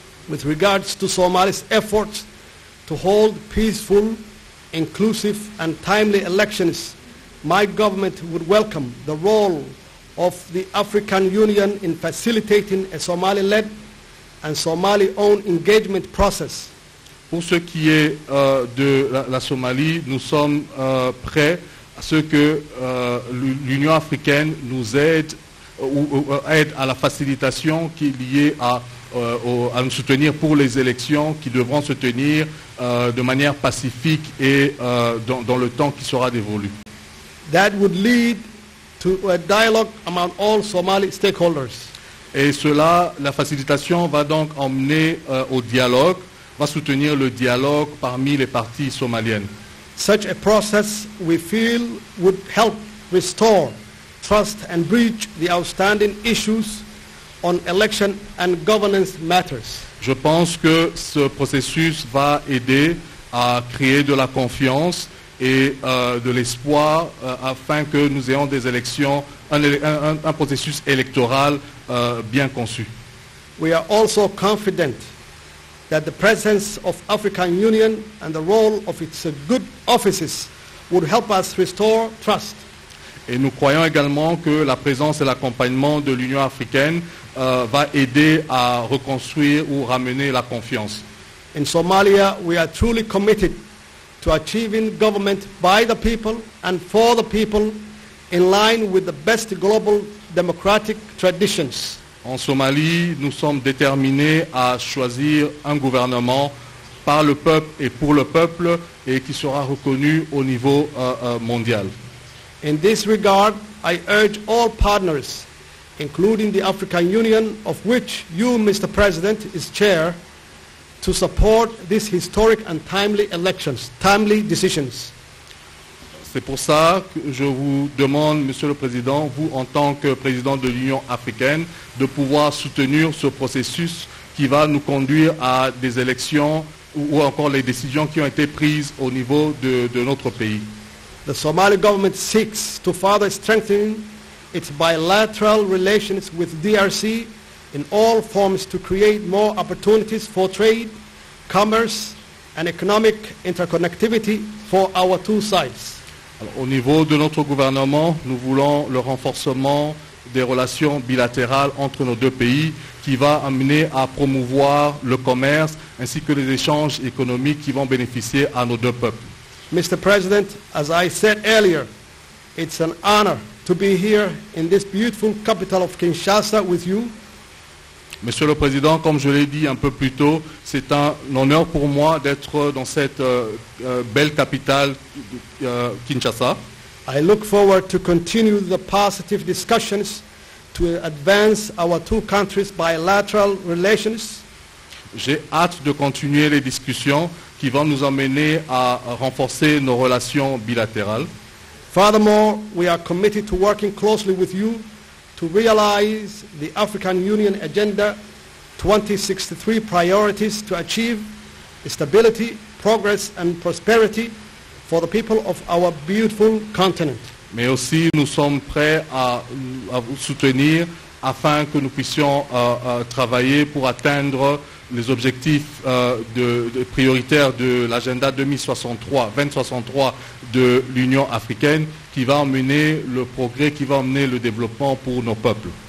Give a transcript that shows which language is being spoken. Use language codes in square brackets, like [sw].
[en] With regards to Somalia's efforts to hold peaceful, inclusive and timely elections, my government would welcome the role of the African Union in facilitating a Somali-led and Somali-owned engagement process. [fr] Pour ce qui est de la Somalie, nous sommes prêts à ce que l'Union africaine nous aide aide à la facilitation qui est liée à nous soutenir pour les élections qui devront se tenir de manière pacifique et dans le temps qui sera dévolu. [en] That would lead to a dialogue among all Somali stakeholders. [fr] Et cela, la facilitation va donc emmener au dialogue, va soutenir le dialogue parmi les parties somaliennes. [en] Such a process, we feel, would help restore trust and bridge the outstanding issues on election and governance matters. [fr] Je pense que ce processus va aider à créer de la confiance et de l'espoir afin que nous ayons des élections, un processus électoral bien conçu. [en] We are also confident that the presence of African Union and the role of its good offices would help us restore trust. [fr] Et nous croyons également que la présence et l'accompagnement de l'Union africaine va aider à reconstruire ou ramener la confiance. [en] In Somalia, we are truly committed to achieving government by the people and for the people in line with the best global democratic traditions. [fr] En Somalie, nous sommes déterminés à choisir un gouvernement par le peuple et pour le peuple et qui sera reconnu au niveau mondial. [en] In this regard, I urge all partners, including the African Union, of which you, Mr. President, is chair, to support these historic and timely elections, timely decisions. [fr] C'est pour ça que je vous demande, Monsieur le Président, vous en tant que Président de l'Union africaine, de pouvoir soutenir ce processus qui va nous conduire à des élections ou encore les décisions qui ont été prises au niveau de notre pays. [en] The Somali government seeks to further strengthen its bilateral relations with DRC in all forms to create more opportunities for trade, commerce and economic interconnectivity for our two sides. [fr] Alors, au niveau de notre gouvernement, nous voulons le renforcement des relations bilatérales entre nos deux pays qui va amener à promouvoir le commerce ainsi que les échanges économiques qui vont bénéficier à nos deux peuples. [en] Mr. President, as I said earlier, it's an honor to be here in this beautiful capital of Kinshasa with you. [fr] Monsieur le Président, comme je l'ai dit un peu plus tôt, c'est un honneur pour moi d'être dans cette belle capitale Kinshasa. [en] I look forward to continue the positive discussions to advance our two countries' bilateral relations. [fr] J'ai hâte de continuer les discussions qui vont nous amener à renforcer nos relations bilatérales. [en] Furthermore, we are committed to working closely with you to realize the African Union Agenda 2063 priorities to achieve stability, progress and prosperity for the people of our beautiful continent. [fr] Mais aussi, nous sommes prêts à vous soutenir afin que nous puissions travailler pour atteindre les objectifs prioritaires de l'agenda 2063 de l'Union africaine qui va amener le progrès, qui va amener le développement pour nos peuples.